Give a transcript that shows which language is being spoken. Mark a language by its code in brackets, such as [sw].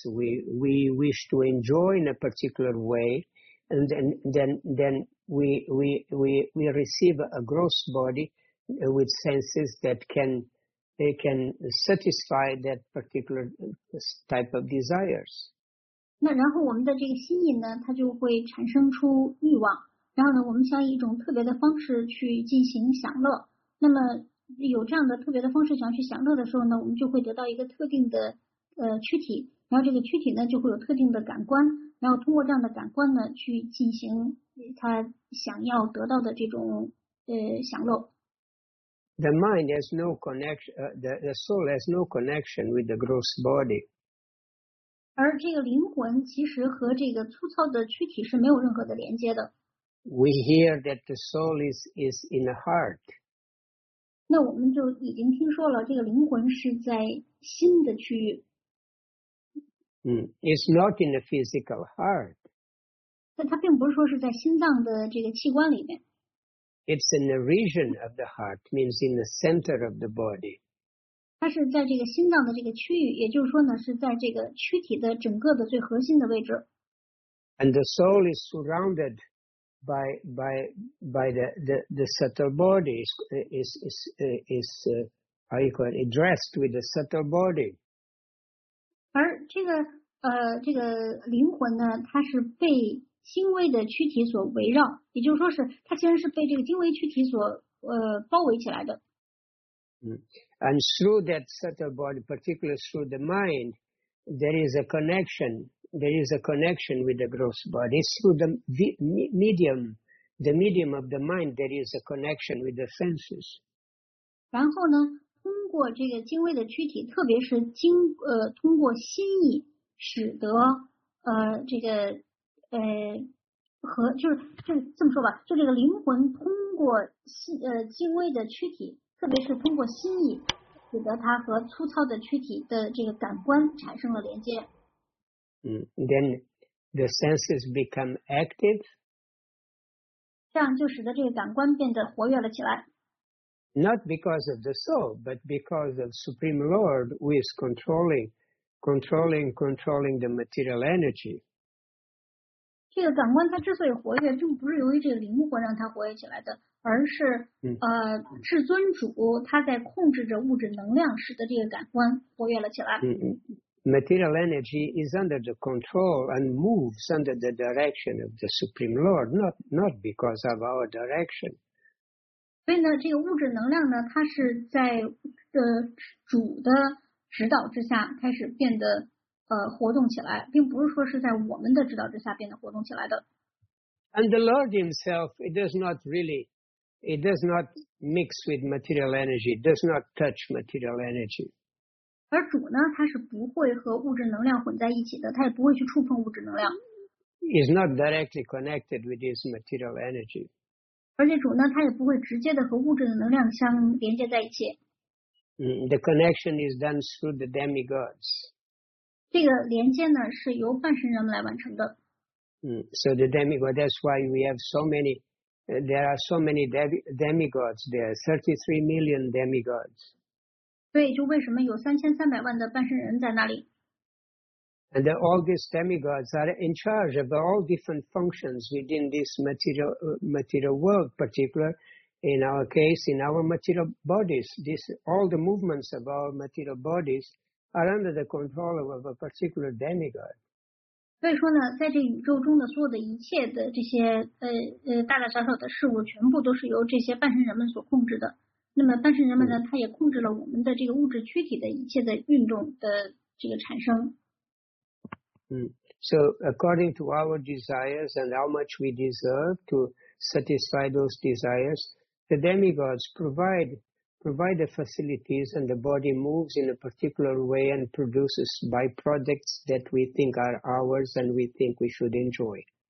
[en] We wish to enjoy in a particular way, and then we receive a gross body with senses that can satisfy that particular type of desires. [zh] 那然后我们的这个心意呢，它就会产生出欲望。然后呢，我们想以一种特别的方式去进行享乐。那么有这样的特别的方式想去享乐的时候呢，我们就会得到一个特定的躯体，然后这个躯体呢就会有特定的感官，然后通过这样的感官呢去进行他想要得到的这种享乐。 [en] The mind has no connection, the soul has no connection with the gross body. [zh] 而这个灵魂其实和这个粗糙的躯体是没有任何的连接的。 [en] We hear that the soul is in the heart. [zh] 那我们就已经听说了，这个灵魂是在心的区域。 [en] It's not in the physical heart. [zh] 但它并不是说是在心脏的这个器官里面。 [en] It's in the region of the heart, means in the center of the body. [zh] 它是在这个心脏的这个区域，也就是说呢，是在这个躯体的整个的最核心的位置。 [en] And the soul is surrounded by the subtle body is dressed with the subtle body. [zh] 而这个灵魂呢，它是被精微的躯体所围绕，也就是说是它其实是被这个精微躯体所包围起来的。 [en] And through that subtle body, particularly through the mind, there is a connection. There is a connection with the gross body. Through the medium, the medium of the mind, there is a connection with the senses. [zh] 然后呢，通过这个精微的躯体，特别是通过心意，使得这么说吧，就这个灵魂通过精微的躯体。特别是通过心意，使得它和粗糙的躯体的这个感官产生了连接。 [en] Then the senses become active. [zh] 这样就使得这个感官变得活跃了起来。 [en] Not because of the soul, but because of Supreme Lord who is controlling the material energy. [zh] 这个感官它之所以活跃，并不是由于这个灵魂让它活跃起来的。而是至尊主他在控制着物质能量，使得这个感官活跃了起来。 [en] Material energy is under the control and moves under the direction of the Supreme Lord, not because of our direction. [zh] 所以呢，这个物质能量呢，它是在主的指导之下开始变得活动起来，并不是说是在我们的指导之下变得活动起来的。 [en] And the Lord Himself, it does not mix with material energy. It does not touch material energy. [zh] 而主呢，它是不会和物质能量混在一起的，它也不会去触碰物质能量。 [en] Is not directly connected with its material energy. [zh] 而且主呢，它也不会直接的和物质的能量相连接在一起。 [en] The connection is done through the demigods. [zh] 这个连接呢，是由半神人们来完成的。 [en] So the demigod. That's why we have so many. There are so many demigods. There are 33 million demigods. [zh] 对，就为什么有3300万的半神人在那里 [en] ？And all these demigods are in charge of all different functions within this material world, particular in our case, in our material bodies. This all the movements of our material bodies are under the control of a particular demigod. [zh] 所以说呢，在这宇宙中的所有的一切的这些大大小小的事物，全部都是由这些半神人们所控制的。那么半神人们呢，他也控制了我们的这个物质躯体的一切的运动的这个产生。 [en] So according to our desires and how much we deserve to satisfy those desires, the demigods provide the facilities and the body moves in a particular way and produces byproducts that we think are ours and we think we should enjoy.